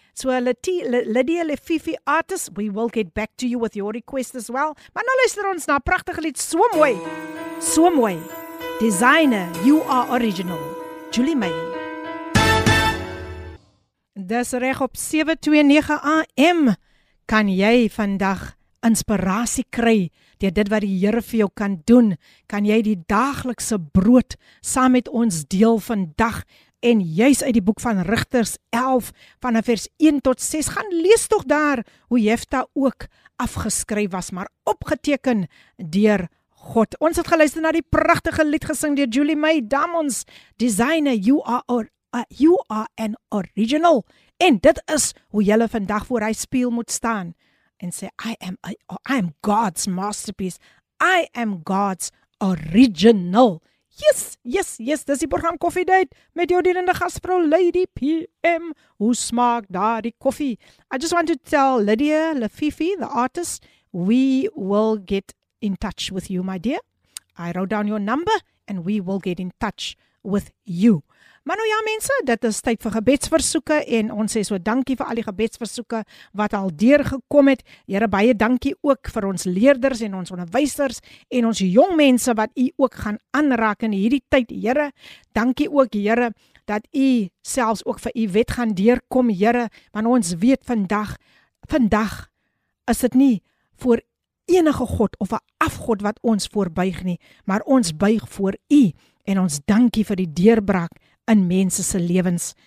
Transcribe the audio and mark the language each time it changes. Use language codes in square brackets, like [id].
[en] So Lydia Lefifi artist, we will get back to you with your request as well. [af] Maar nou luister ons na 'n pragtige lied, so mooi. So mooi. [en] Designer, you are original. Julie May. [af] Dis reg op 729 AM. Kan jy vandag inspirasie kry deur dit wat die Here vir jou kan doen? Kan jy die daaglikse brood saam met ons deel vandag? En juis uit die boek van Rigters 11 vanaf vers 1 tot 6 gaan lees tog daar hoe Jefta ook afgeskryf was, maar opgeteken deur God. Ons het geluister na die pragtige lied gesing deur Julie May Damons, Designer, you are or you are an original. En dit is hoe jy vandag voor hy spieël moet staan en sê [en] I am God's masterpiece. I am God's original. Yes, [af] dis die program Coffee Date met jou dienende gasvrou Lady PM. Hoe smaak daardie koffie? [en] I just want to tell Lydia Lefifi, the artist, we will get in touch with you, my dear. I wrote down your number and we will get in touch with you. [af] Maar nou ja mense, dit is tyd vir gebedsversoeke en ons sê so dankie vir al die gebedsversoeke wat al deurgekom het. Here, baie dankie ook vir ons leerders en ons onderwysers en ons jong mense wat u ook gaan aanraak in hierdie tyd. Here, dankie ook Here dat u selfs ook vir u wet gaan deurkom, Here, want ons weet vandag is dit nie voor enige god of 'n afgod wat ons voorbuig nie, maar ons buig voor u en ons dankie vir die deurbraak in mense se lewens.